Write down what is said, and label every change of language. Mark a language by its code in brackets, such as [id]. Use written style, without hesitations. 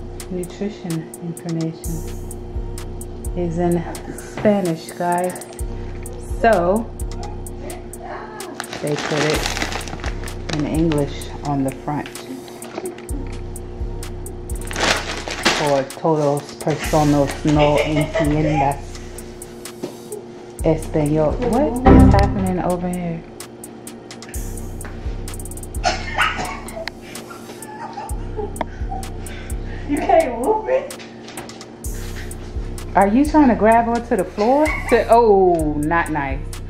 [en] Nutrition information is in Spanish, guys. So they put it in English on the front. Or [es] todos personas no entiendas español. [en] What is happening over here? You can't whoop me? Are you trying to grab onto the floor? Not nice.